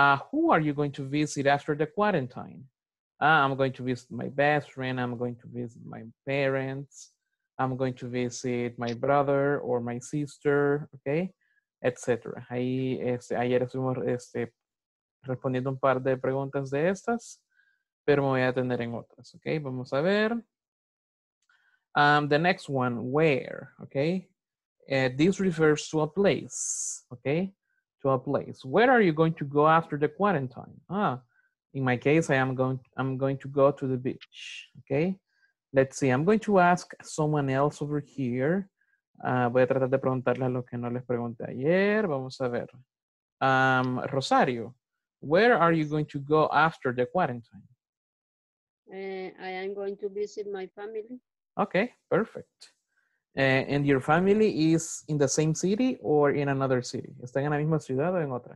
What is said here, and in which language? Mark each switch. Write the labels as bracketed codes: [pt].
[en] Who are you going to visit after the quarantine? I'm going to visit my best friend, I'm going to visit my parents, I'm going to visit my brother or my sister, ¿ok? Etc. [es] Ahí, ayer estuvimos respondiendo un par de preguntas de estas, pero me voy a detener en otras, ¿ok? Vamos a ver. [en] The next one, where, okay? This refers to a place, okay? To a place. Where are you going to go after the quarantine? In my case, I'm going to go to the beach, okay? Let's see, I'm going to ask someone else over here. [es] Voy a tratar de preguntarle a lo que no les pregunté ayer. Vamos a ver. [en] Rosario, where are you going to go after the quarantine? I am going to visit my family. Okay, perfect. And your family is in the same city or in another city? [es] ¿Están en la misma ciudad o en otra?